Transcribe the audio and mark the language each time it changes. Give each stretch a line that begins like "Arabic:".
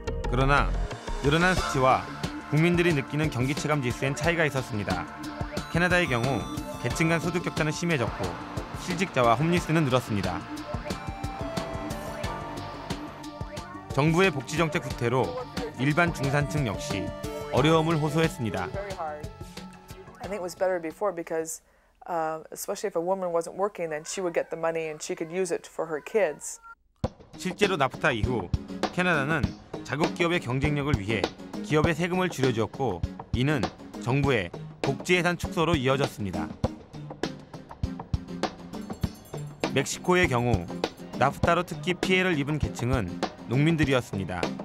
Korean: 그러나 늘어난 수치와 국민들이 느끼는 경기체감지수엔 차이가 있었습니다. 캐나다의 경우 계층 간 소득 격차는 심해졌고 실직자와 홈리스는 늘었습니다. 정부의 복지정책 후퇴로 일반 중산층 역시 어려움을 호소했습니다.
English: I think it was better before because especially if a woman wasn't working, then she would get the money and she could use it for her kids.
Korean: 실제로 나프타 이후 캐나다는 자국 기업의 경쟁력을 위해 기업의 세금을 줄여주었고, 이는 정부의 복지 예산 축소로 이어졌습니다. 멕시코의 경우 나프타로 특히 피해를 입은 계층은 농민들이었습니다.